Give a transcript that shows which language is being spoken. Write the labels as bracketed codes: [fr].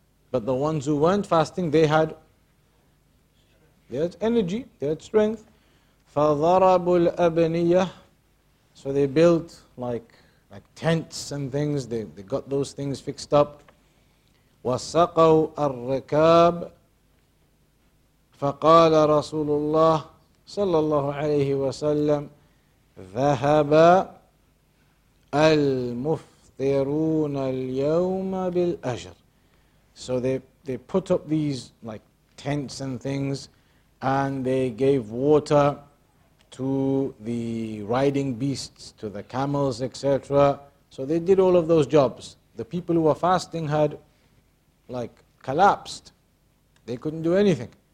[en] But the ones who weren't fasting, they had energy, they had strength. [ar] فَضَرَبُوا الْأَبْنِيَةِ. [en] So they built like tents and things, they got those things fixed up. [ar] وَسَقَوْا الرِّكَابِ. فقال رسول الله صلى الله عليه وسلم ذهب المفطرون اليوم بالأجر. [en] So they put up these like tents and things, and they gave water to the riding beasts, to the camels, etc. So they did all of those jobs. The people who were fasting had like collapsed. They couldn't do anything.